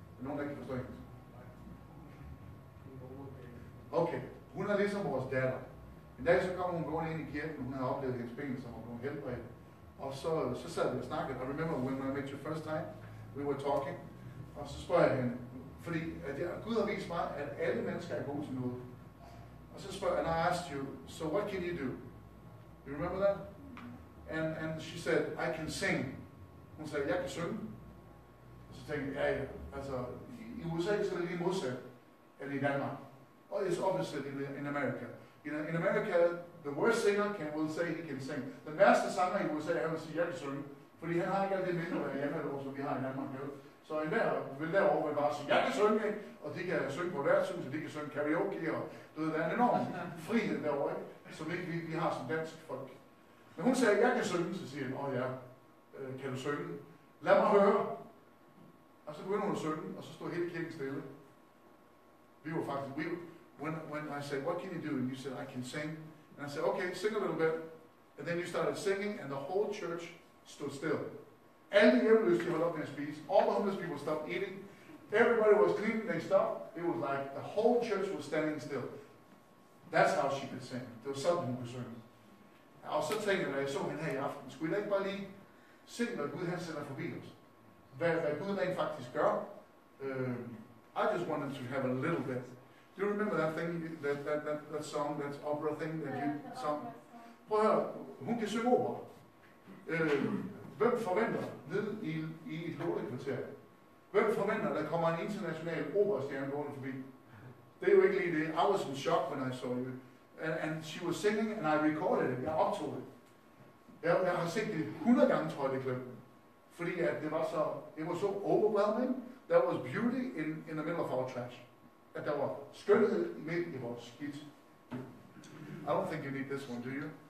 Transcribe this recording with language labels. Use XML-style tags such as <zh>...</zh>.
<da>Er nogen, der kan forstå engelsk? Okay, hun er ligesom vores datter. En dag så kom hun gående ind i kirken, hun havde oplevet hendes ben, som var blevet helbredt. Og så sad vi og snakkede.</da> <en>I remember when I met you first time, we were talking.</en> <da>Og så spørger jeg hende, fordi Gud har vist mig, at alle mennesker er gode til noget. Og så spørger jeg,</da> <en>and I asked you, so what can you do? You remember that? And she said, I can sing.</en> <da>Hun sagde, jeg kan synge. Og så tænkte jeg, ja, altså, i USA så er det lige modsat, end i Danmark.</da> <en>Og it's opposite in America. You know, in America, the worst singer will say he can sing.</en> <da>The værste sanger i USA, han vil sige, jeg kan synge. Fordi han har ikke alt det mindre af hjemme, som vi har i Danmark. Så en der vil derovre vil bare sige, jeg kan synge, ikke? Og de kan synge på værtshus, og de kan synge karaoke, og det er en enorm frihed derovre, ikke? Som ikke vi har som dansk folk. Men hun sagde, jeg kan synge, så siger hun, åh ja, kan du synge? Lad mig høre. Og så begyndte hun at synge, og så stod hele kirken stille. Vi var faktisk,</da> <en>when I said, what can you do? And you said, I can sing. And I said, okay, sing a little bit. And then you started singing, and the whole church stood still.</en> <da>Alle hjemløse stod op med at spise.</da> <en>All the homeless people stopped eating. Everybody was cleaning, they stopped. It was like the whole church was standing still. That's how she could sing.</en> <da>Det var sådan, hun kunne synge. Og så tænkte jeg, da jeg så hende her i aften, skulle I ikke bare lige se, hvad Gud han sender forbi os? Hvad Gud han faktisk gør?</da> <en>I just wanted to have a little bit. Do you remember that thing, that song, that opera thing that you sang?</en> <da>Prøv at høre, hun kan synge opera. Hvem forventer ned i et lortekvarter? Hvem forventer, at der kommer en international operastjerne gående forbi? Det er jo ikke lige det.</da> <en>I was in shock when I saw you. And she was singing, and I recorded it.</en> <da>Jeg optog det. Jeg har set det 100 gange, tror jeg, det klip. Fordi at det var så overwhelming.</da> <en>There was beauty in the middle of our trash.</en> <da>At der var skønhed midt i vores skidt.</da> <en>I don't think you need this one, do you?</en>